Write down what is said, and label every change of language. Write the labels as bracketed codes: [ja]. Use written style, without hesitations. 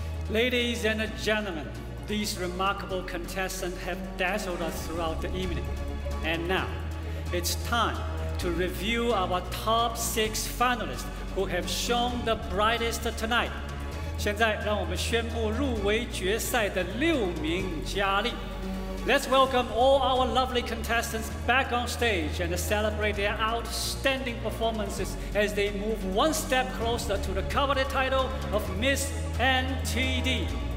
[en] Ladies and gentlemen, these remarkable contestants have dazzled us throughout the evening. And now, it's time to review our top six finalists who have shone the brightest tonight. [zh] 现在让我们宣布入围决赛的六名佳丽。 [en] Let's welcome all our lovely contestants back on stage and celebrate their outstanding performances as they move one step closer to the coveted title of Miss NTD.